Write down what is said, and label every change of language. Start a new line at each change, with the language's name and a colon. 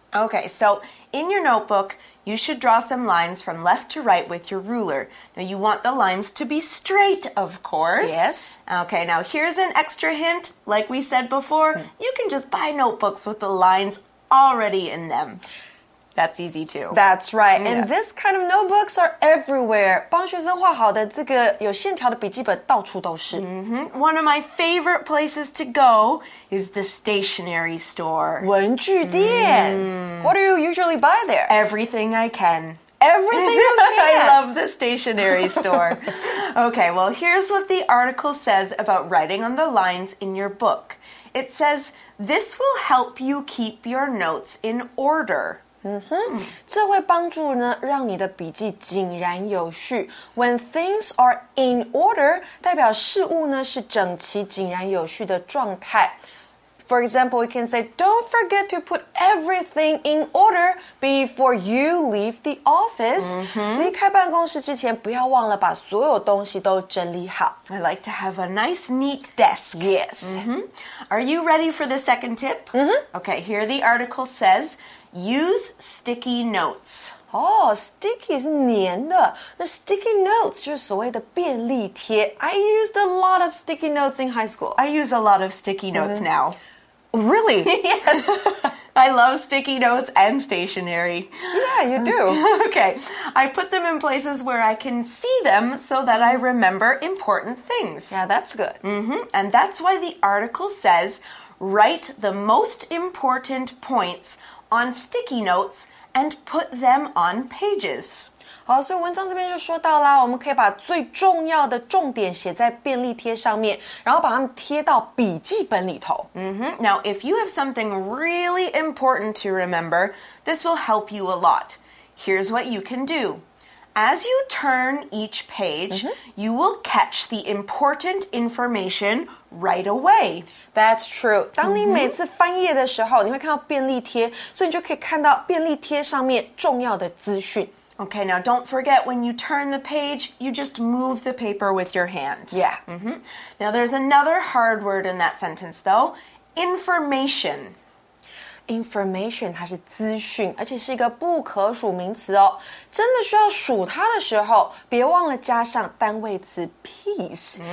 English: Okay, so in your notebook, you should draw some lines from left to right with your ruler. Now, you want the lines to be straight, of course. Yes. Okay, now here's an extra hint. Like we said before, you can just buy notebooks with the lines already in them. That's easy, too. That's right. And this kind of notebooks are everywhere.
Chinese: 帮学生画好的这个有线条的笔记本到处都是。
English: One of my favorite places to go is the stationery store.
Chinese: 文具店。
English: What do you usually buy there? Everything I can. Everything you can. I love the stationery store. Okay, well, here's what the article says about writing on the lines in your book. It says, this will help you keep your notes in order.
Chinese: 这会帮助呢让你的笔记井然有序。
English: When things are in order,
Chinese: 代表事物呢是整齐井然有序的状态。
English: For example, we can say, don't forget to put everything in order before you leave the office.
Chinese: 离开办公室之前不要忘了把所有东西都整理好。
English: I like to have a nice, neat desk. Yes. Are you ready for the second tip? Okay, here the article says... Use sticky notes.
Chinese: Oh, sticky 是粘的。那 sticky notes 就是所谓的便利贴。
English: I used a lot of sticky notes in high school. I use a lot of sticky notes now. Really? Yes. I love sticky notes and stationery. Yeah, you do. Okay. I put them in places where I can see them so that I remember important things. Yeah, that's good. And that's why the article says, write the most important points... on sticky notes and put them on pages.
Chinese: 好，所以文章这边就说到啦，我们可以把最重要的重点写在便利贴上面，然后把它们贴到笔记本里头。
English: Now, if you have something really important to remember, this will help you a lot. here's what you can do. As you turn each page, you will catch the important information right away. That's true.
Chinese: 当你每次翻页的时候，你会看到便利贴，所以你就可以看到便利贴上面重要的资讯。
English: Okay, now don't forget when you turn the page, you just move the paper with your hand. Yeah. Now there's another hard word in that sentence though, information.
Chinese: Information, 它是资讯，而且是一个不可数名词哦。真的需要数它的时候，别忘了加上单位词 piece.